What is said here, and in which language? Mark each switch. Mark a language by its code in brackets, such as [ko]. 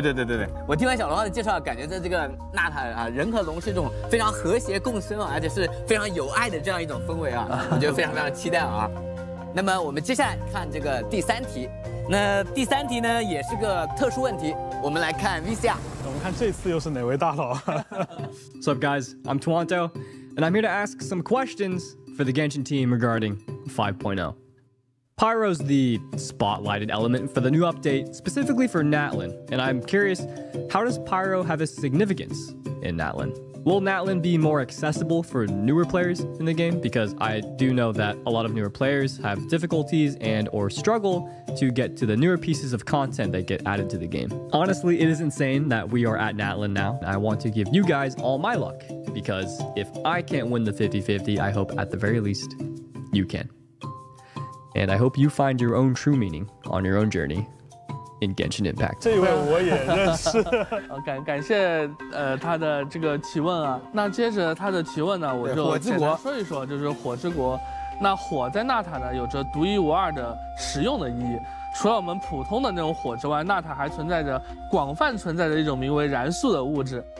[zh] 对，我听完小龙的介绍，感觉在这个纳塔啊，人和龙是一种非常和谐共生，而且是非常有爱的这样一种氛围啊，我觉得非常非常期待啊。那么我们接下来看这个第三题，那第三题呢也是个特殊问题，我们来看 VCR。我们看这次又是哪位大佬。 [en] What's up, guys? I'm Toronto, and I'm here to ask some questions for the Genshin team regarding 5.0. Pyro's the spotlighted element for the new update, specifically for Natlan, and I'm curious, how does Pyro have a significance in Natlan? Will Natlan be more accessible for newer players in the game? Because I do know that a lot of newer players have difficulties and or struggle to get to the newer pieces of content that get added to the game. Honestly, it is insane that we are at Natlan now. I want to give you guys all my luck, because if I can't win the 50-50, I hope at the very least, you can. And I hope you find your own true meaning on your own journey in Genshin Impact. [zh] 这位我也认识。感谢他的这个提问啊。那接着他的提问呢，我就简单说一说，就是火之国那火在纳塔呢有着独一无二的实用的意义，除了我们普通的那种火之外，纳塔还存在着广泛存在着一种名为燃素的物质。